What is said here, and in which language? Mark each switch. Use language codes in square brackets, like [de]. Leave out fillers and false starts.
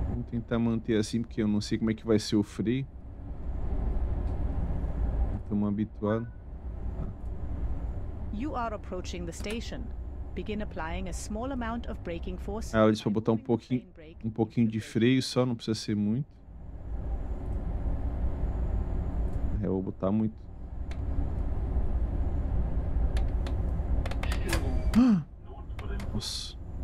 [pt] Tentar manter assim, porque eu não sei como é que vai ser o freio. Estamos habituados. [en] You are approaching the station. Begin applying a small amount of braking force. [pt] Ah, ela disse para botar um pouquinho de freio só, não precisa ser muito. É, eu vou botar muito. Nossa.